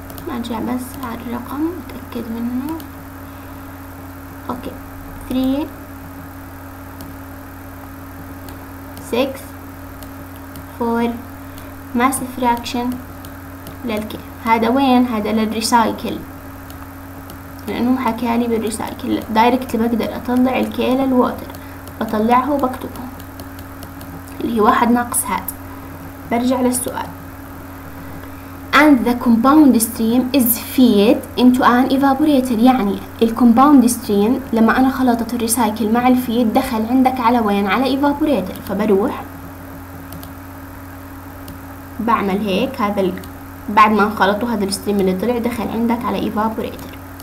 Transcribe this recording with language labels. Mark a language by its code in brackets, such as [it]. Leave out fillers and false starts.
[ar] ارجع بس على الرقم اتاكد منه، اوكي 3 6 4 ماس فراكشن للكي. هذا وين؟ هذا للريسايكل، لانه حكالي بالريسايكل دايركت بقدر اطلع الكي للووتر، بطلعه وبكتبه اللي هي 1 ناقص هذا. برجع للسؤال. [en] And the compound stream is fed into an evaporator. [ar] يعني ال compound stream لما أنا خلطت الريسايكل مع الفيد دخل عندك على وين؟ على evaporator. فبروح بعمل هيك، هذا بعد ما خلطوا هذا الستريم اللي طلع دخل عندك على evaporator.